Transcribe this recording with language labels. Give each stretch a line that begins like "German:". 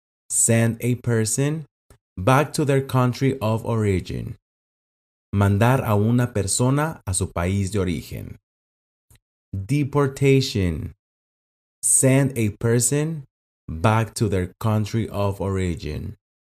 English: Send a person back to their country of origin.
Spanish: Mandar a una persona a su país de origen.
English: Deportation. Send a person back to their country of origin.